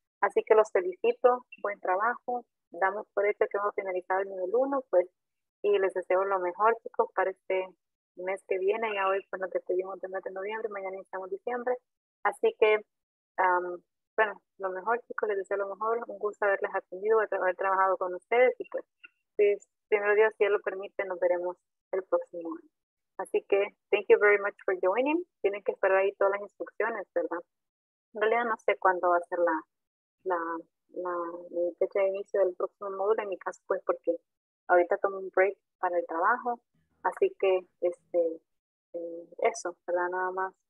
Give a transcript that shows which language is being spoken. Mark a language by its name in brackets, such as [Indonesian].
[Spanish] Así que los felicito, buen trabajo, damos por hecho que vamos a finalizar el nivel 1, pues, y les deseo lo mejor, chicos, para este mes que viene, ya hoy, pues, nos despedimos del mes de noviembre, mañana iniciamos diciembre, así que, bueno, lo mejor, chicos, les deseo lo mejor, un gusto haberles atendido, haber trabajado con ustedes, y pues, si primero Dios, si Él lo permite, nos veremos el próximo año. Así que, [English] thank you very much for joining. [Spanish] Tienen que esperar ahí todas las instrucciones, ¿verdad? En realidad no sé cuándo va a ser la fecha de inicio del próximo módulo. En mi caso, pues, porque ahorita tomo un break para el trabajo. Así que, eso, ¿verdad? Nada más.